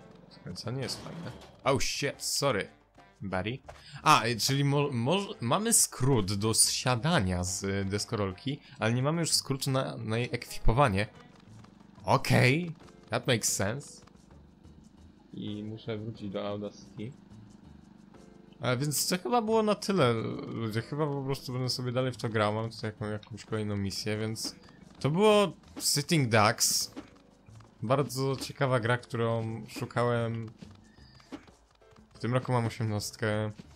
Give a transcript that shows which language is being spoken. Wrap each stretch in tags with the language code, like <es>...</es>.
<pl>Skręcanie jest fajne.</pl> <en>Oh shit, sorry. Buddy.</en> <pl>A, czyli mamy skrót do zsiadania z deskorolki, ale nie mamy już skrótu na jej ekwipowanie.</pl> <en>Okej, okay, that makes sense.</en> <pl>I muszę wrócić do Audacity. A więc to chyba było na tyle, ludzie. Chyba po prostu będę sobie dalej w to grał. Mam tutaj jakąś kolejną misję, więc to było Sitting Ducks. Bardzo ciekawa gra, którą szukałem. W tym roku mam 18.</pl>